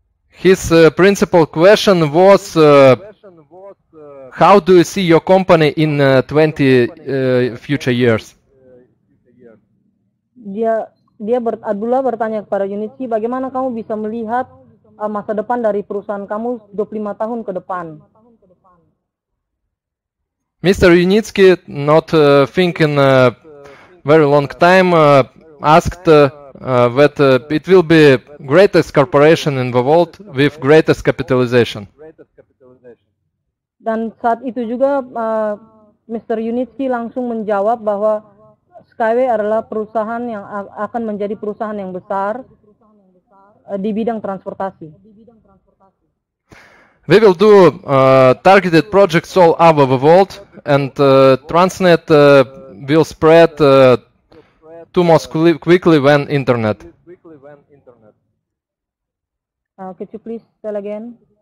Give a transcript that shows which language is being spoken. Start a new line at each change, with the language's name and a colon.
English: his principal question was how do you see your company in 20 future years?
Indonesian: Abdullah bertanya kepada Yunitskiy, bagaimana kamu bisa melihat masa depan dari perusahaan kamu 25 tahun ke depan?
English: Mr. Yunitskiy, not thinking very long time, asked that it will be greatest corporation in the world with greatest capitalization.
Indonesian: Dan saat itu juga Mr. Yunitskiy langsung menjawab bahwa Skyway adalah perusahaan yang akan menjadi perusahaan yang besar di bidang transportasi.
English: We will do targeted projects all over the world, and Transnet will spread too much quickly when internet. Could you please tell again?